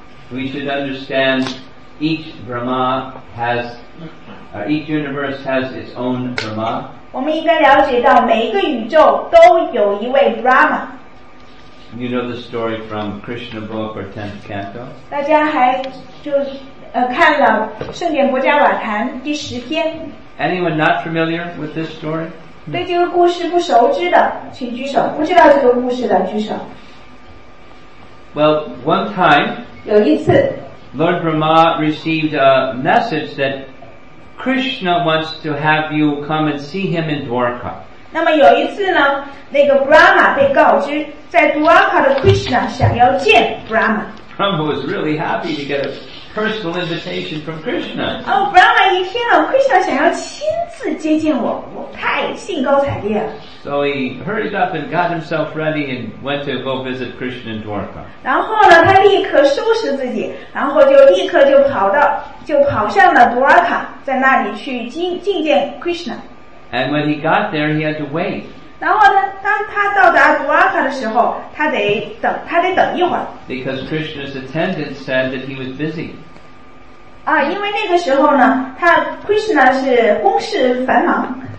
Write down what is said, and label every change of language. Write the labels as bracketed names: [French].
[English] We should understand each Brahma has, or each universe has its own Brahma. [Chinese] 我们应该了解到每一个宇宙都有一位 Brahma. [English] You know the story from Krishna book or 10th canto? [Chinese] 大家还就看了圣典博迦瓦坛第十篇。 [English] Anyone not familiar with this story? [Chinese] 对这个故事不熟知的请举手，不知道这个故事的举手。 [English] Well, one time, [Chinese] 有一次 [English] Lord Brahma received a message thatKrishna wants to have you come and see him in Dwarka. [Chinese] 那么有一次呢，那个 Brahma 被告知，在 Dwarka 的 Krishna 想要见 Brahma. [English] Brahma was really happy to get a personal invitation from Krishna. [Chinese] Oh, Brahma 一听了 Krishna 想要亲自接见我，我太兴高采烈了。 [English] So he hurried up and got himself ready and went to go visit Krishna in Dwarka. [Chinese] 然后呢，他立刻收拾自己，然后就立刻就跑到。就跑上了 Dwarka， 在那里去觐见 Krishna。 [English] And when he got there, he had to wait. [Chinese] 然后呢，当他到达 Dwarka 的时候，他得等一会儿。 [English] Because Krishna's attendant said that he was busy. [Chinese] 因为那个时候呢，Krishna 是公事繁忙。